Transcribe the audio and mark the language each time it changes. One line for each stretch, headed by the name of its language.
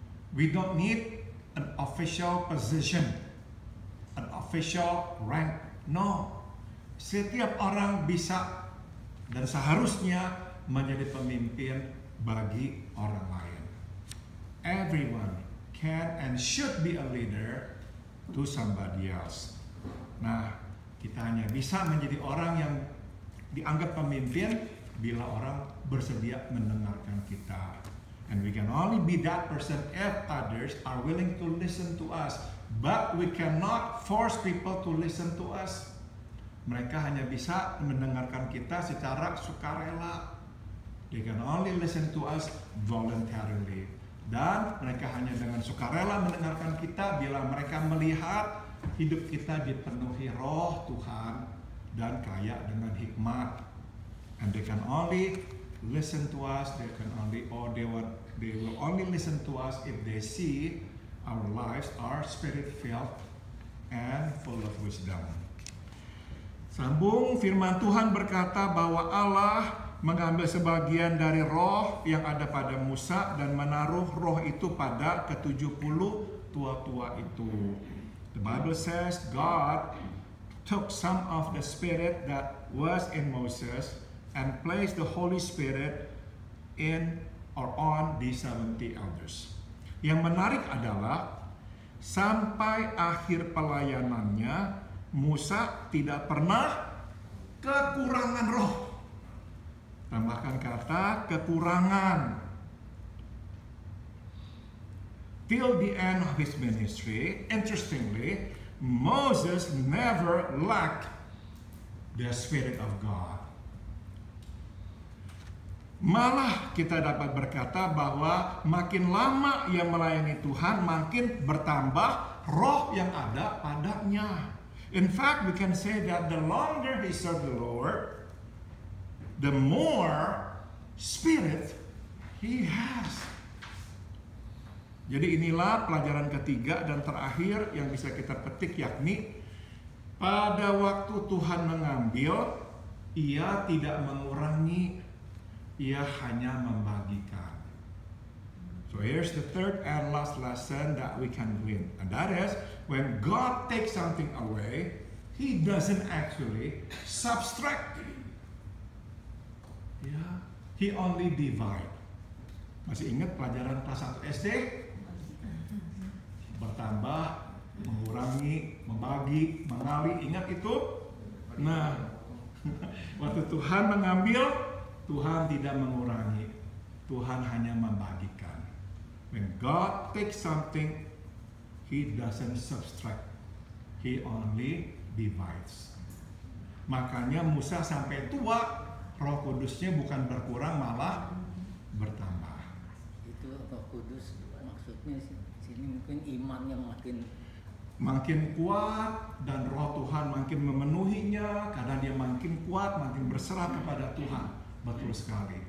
English: We don't need an official position, an official rank. No.
Indonesian: Setiap orang bisa dan seharusnya menjadi pemimpin bagi orang lain.
English: Everyone can and should be a leader to somebody else.
Indonesian: Nah, kita hanya bisa menjadi orang yang dianggap pemimpin bila orang bersedia mendengarkan kita.
English: And we can only be that person if others are willing to listen to us. But we cannot force people to listen to us.
Indonesian: Mereka hanya bisa mendengarkan kita secara sukarela.
English: They can only listen to us voluntarily.
Indonesian: Dan mereka hanya dengan sukarela mendengarkan kita bila mereka melihat hidup kita dipenuhi Roh Tuhan dan kaya dengan hikmat.
English: And they can only listen to us, they will only listen to us if they see our lives are spirit-filled and full of wisdom.
Indonesian: Sambung, firman Tuhan berkata bahwa Allah mengambil sebagian dari roh yang ada pada Musa dan menaruh roh itu pada 70 tua-tua itu.
English: The Bible says God took some of the spirit that was in Moses and placed the Holy Spirit in or on the 70 elders.
Indonesian: Yang menarik adalah sampai akhir pelayanannya, Musa tidak pernah kekurangan roh. Tambahkan kata kekurangan.
English: Till the end of his ministry, interestingly, Moses never lacked the Spirit of God.
Indonesian: Malah kita dapat berkata bahwa makin lama ia melayani Tuhan, makin bertambah roh yang ada padanya.
English: In fact, we can say that the longer he served the Lord, the more spirit he has.
Indonesian: Jadi inilah pelajaran ketiga dan terakhir yang bisa kita petik, yakni pada waktu Tuhan mengambil, ia tidak mengurangi, ia hanya membagikan.
English: So here's the third and last lesson that we can glean. And that is, when God takes something away, he doesn't actually subtract it. Yeah. He only divide.
Indonesian: Masih ingat pelajaran kelas 1 SD? Bertambah, mengurangi, membagi, mengali, ingat itu? Nah, waktu Tuhan mengambil, Tuhan tidak mengurangi, Tuhan hanya membagikan.
English: When God takes something, he doesn't subtract, he only divides.
Indonesian: Makanya Musa sampai tua, Roh Kudusnya bukan berkurang, malah bertambah. Itu Roh Kudus maksudnya sini mungkin imannya makin kuat dan roh Tuhan makin memenuhinya, karena dia makin kuat, makin berserah kepada Tuhan. Betul sekali.